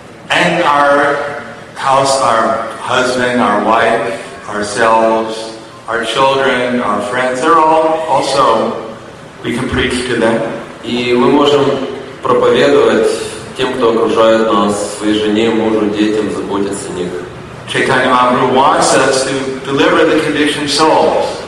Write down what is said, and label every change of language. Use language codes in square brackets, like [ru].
[en] And our house, our husband, our wife, ourselves, our children, our friends, they're all also. We can preach to them. [ru] И мы можем проповедовать тем, кто окружает нас, своей жене, мужу, детям, заботиться о них. [en] Chaitanya Mahaprabhu wants us to deliver the conditioned souls.